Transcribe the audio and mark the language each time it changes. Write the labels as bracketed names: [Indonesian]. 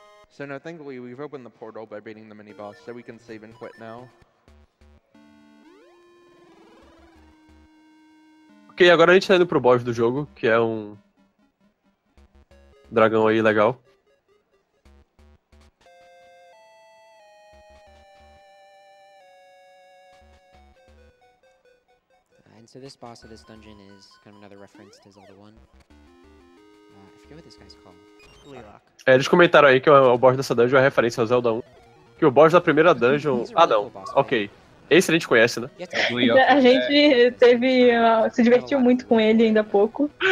[English] So now thankfully we've opened the portal by beating the mini boss, so we can save and quit now. [Portuguese] Ok, agora a gente tá indo pro boss do jogo, que é um dragão aí legal. [English] So this boss of this dungeon is kind of another reference to Zelda 1. I forget what this guy's called. [Portuguese] É, eles comentaram aí que o boss dessa dungeon é referência ao Zelda 1. Que o boss da primeira dungeon... Ah não, ok. Esse a gente conhece, né? A gente teve... se divertiu muito com ele ainda há pouco.